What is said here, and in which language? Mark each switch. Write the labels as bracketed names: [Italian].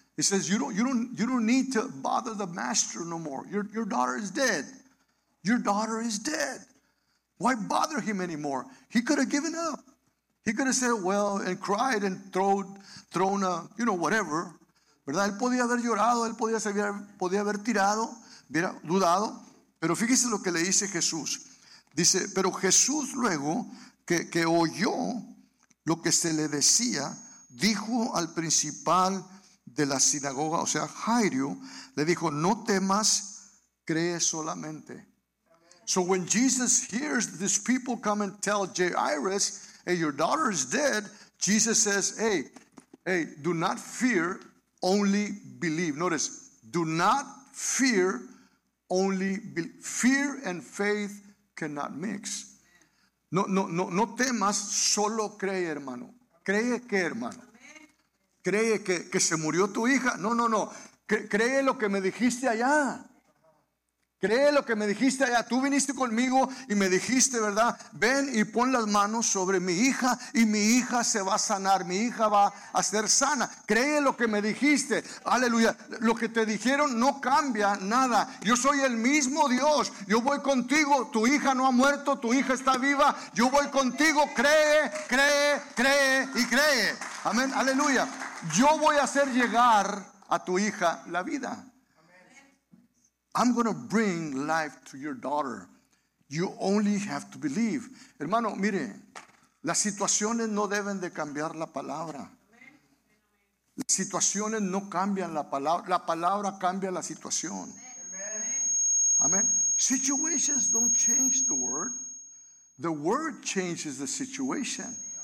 [English] He says, you don't need to bother the master no more. Your daughter is dead. Your daughter is dead. Why bother him anymore? He could have given up. He could have said, well, and cried and thrown a, you know, whatever. [Spanish] ¿Verdad? Él podía haber llorado, él podía haber tirado, hubiera dudado. Pero fíjese lo que le dice Jesús. Dice, pero Jesús luego que oyó lo que se le decía, dijo al principal de la sinagoga, o sea, Jairo, le dijo, no temas, cree solamente. [English] Amen. So when Jesus hears these people come and tell Jairus, hey, your daughter is dead, Jesus says, hey, do not fear, only believe. Notice, do not fear, only believe. Fear and faith cannot mix. [Spanish] No temas, solo cree, hermano. ¿Cree qué, hermano? ¿Cree que se murió tu hija? No. Cree lo que me dijiste allá. Cree lo que me dijiste allá. Tú viniste conmigo y me dijiste, ¿verdad? Ven y pon las manos sobre mi hija y mi hija se va a sanar. Mi hija va a ser sana. Cree lo que me dijiste. Aleluya. Lo que te dijeron no cambia nada. Yo soy el mismo Dios. Yo voy contigo. Tu hija no ha muerto. Tu hija está viva. Yo voy contigo. Cree y cree. Amén. Aleluya. Yo voy a hacer llegar a tu hija la vida. [English] I'm going to bring life to your daughter. You only have to believe. [Spanish] Hermano, mire, las situaciones no deben de cambiar la palabra. Las situaciones no cambian la palabra. La palabra cambia la situación. Amen. [English] Situations don't change the word. The word changes the situation.